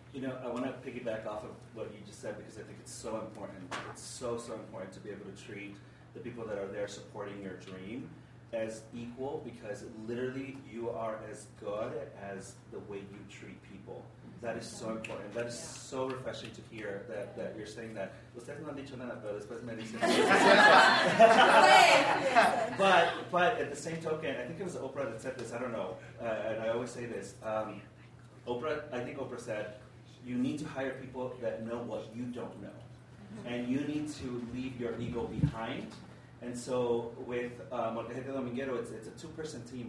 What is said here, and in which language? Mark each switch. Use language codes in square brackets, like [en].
[en] You know, I want to piggyback off of what you just said because I think it's so important. It's so, so important to be able to treat the people that are there supporting your dream as equal, because literally you are as good as the way you treat people. Mm-hmm. That is so important. That is so refreshing to hear that, that you're saying that. [es] Ustedes no han dicho nada, pero después me dicen. [en] But at the same token, I think it was Oprah that said this, I don't know, and I always say this. I think Oprah said, you need to hire people that know what you don't know. And you need to leave your ego behind. And so with Molcajete Dominguero, it's a two-person team.